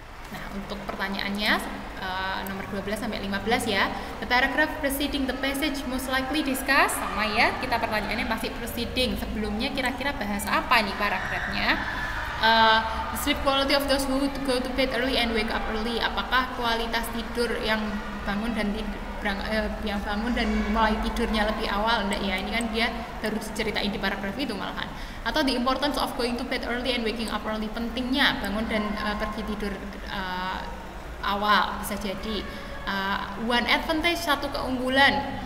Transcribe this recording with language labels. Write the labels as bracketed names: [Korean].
[Indonesian] Nah, untuk pertanyaannya nomor 12 sampai 15 ya. [English] The paragraph preceding the passage most likely discuss, [Indonesian] sama ya. Kita pertanyaannya masih preceding. Sebelumnya kira-kira bahas apa nih paragrafnya? [English] The sleep quality of those who go to bed early and wake up early. [Indonesian] Apakah kualitas tidur yang bangun dan mulai tidurnya lebih awal? Enggak ya. Ini kan dia baru diceritain di paragraf itu malahan. Atau [English] the importance of going to bed early and waking up early, [Indonesian] pentingnya bangun dan pergi tidur awal, bisa jadi [English] one advantage, [Indonesian] satu keunggulan.